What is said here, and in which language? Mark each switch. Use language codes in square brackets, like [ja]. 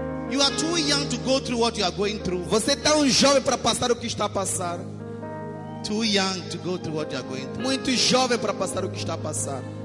[en] You are too young to go through what you are going through. [pt] Você é tão jovem para passar o que está a passar. [en] Too young to go through what you are going through. [pt] Muito jovem para passar o que está a passar.